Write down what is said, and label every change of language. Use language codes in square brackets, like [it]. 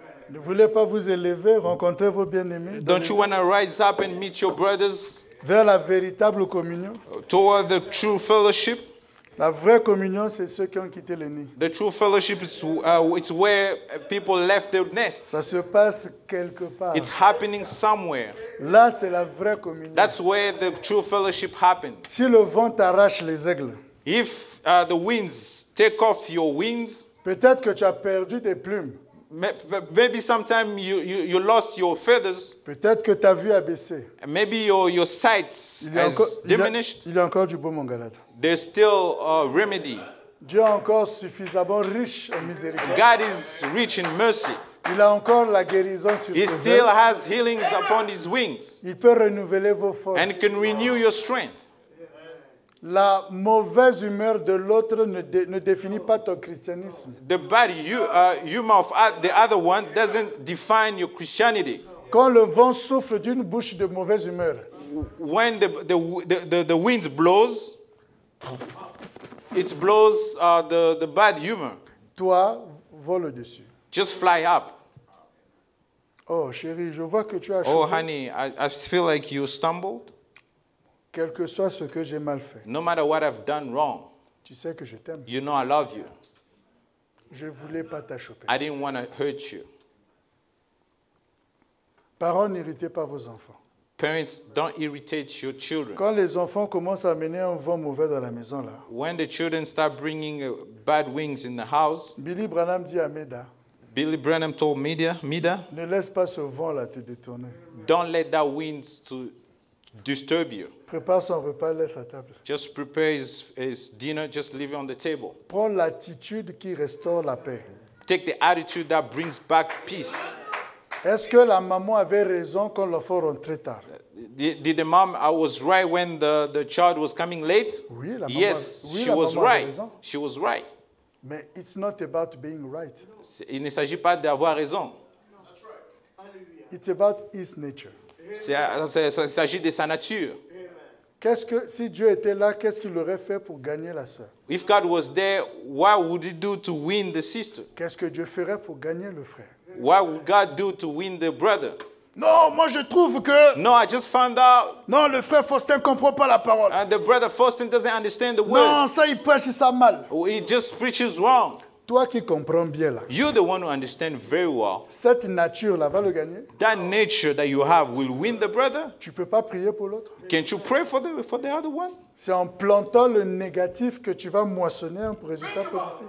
[fr] ne voulez pas vous élever, rencontrer vos bien-aimés? [en] Don't you want to rise up and meet your brothers? [fr] Vers la véritable communion. [en] Toward the true fellowship. [fr] La vraie communion, c'est ceux qui ont quitté le nid. [en] The true fellowship is it's where people left their nests. [fr] Ça se passe quelque part. [en] It's happening somewhere. [fr] Là, c'est la vraie communion. [en] That's where the true fellowship happens. [fr] Si le vent t'arrache les aigles. [en] If the winds take off your wings. [fr] Peut-être que tu as perdu des plumes. [en] Maybe sometime you lost your feathers. [fr] Peut-être que ta vue a baissé. [en] Maybe your sight has diminished. [fr] Il y a encore du beau, mon Galate. [en] There's still a remedy. [fr] Dieu encore suffisamment riche en miséricorde. [en] God is rich in mercy. [fr] Il a encore la guérison sur ses ailes. [en] He still has healings upon his wings. [fr] Il peut renouveler vos forces. [en] And can renew your strength. [fr] La mauvaise humeur de l'autre ne définit pas ton christianisme. [en] The bad humor of the other one doesn't define your Christianity. [fr] Quand le vent souffle d'une bouche de mauvaise humeur. [en] When the wind blows, it blows the bad humor. [fr] Toi, vole au-dessus. [en] Just fly up. [fr] Oh, chérie, je vois que tu as. [en] Oh, chouette. Honey, I feel like you stumbled. [fr] Quel que soit ce que j'ai mal fait. [en] No matter what I've done wrong. [fr] Tu sais que je t'aime. [en] You know I love you. [fr] Je voulais pas t'achoper. [en] I didn't want to hurt you. [fr] Parents, n'irritez pas vos enfants. [en] Parents, don't irritate your children. [fr] Quand les enfants commencent à amener un vent mauvais dans la maison là. [en] When the children start bringing bad wings in the house. [fr] Billy Branham dit à Meda. [en] Billy Branham told Meda. [fr] Ne laisse pas ce vent là te détourner. [en] Don't let that winds to disturb you. [fr] Prépare son repas, laisse à table. [en] Just prepare his dinner, just leave it on the table. [fr] Prends l'attitude qui restaure la paix. [en] Take the attitude that brings back peace. [fr] Est-ce que la maman avait raison quand l'enfant rentrait tard? [en] Did the mom, I was right when the child was coming late? [fr] Oui, la maman. [en] Yes, [fr] oui, [en] she was right. She was right. Mais it's not about being right. [fr] Il ne s'agit pas d'avoir raison. [en] It's about his nature. [fr] Il s'agit de sa nature. Qu'est-ce que si Dieu était là, qu'est-ce qu'il aurait fait pour gagner la sœur? [en] If God was there, what would he do to win the sister? [fr] Qu'est-ce que Dieu ferait pour gagner le frère? [en] What would God do to win the brother? [fr] Non, moi je trouve que. [en] No, I just found out. [fr] Non, le frère Faustin ne comprend pas la parole. [en] And the brother Faustin doesn't understand the word. [fr] Non, ça il prêche ça mal. [en] He just preaches wrong. [fr] Toi qui comprends bien là. [en] You're the one who understands very well. [fr] Cette nature là va le gagner. [en] That nature that you have will win the brother. [fr] Tu peux pas prier pour l'autre. [en] Can't you pray for the other one? [fr] C'est en plantant le négatif que tu vas moissonner un résultat positif.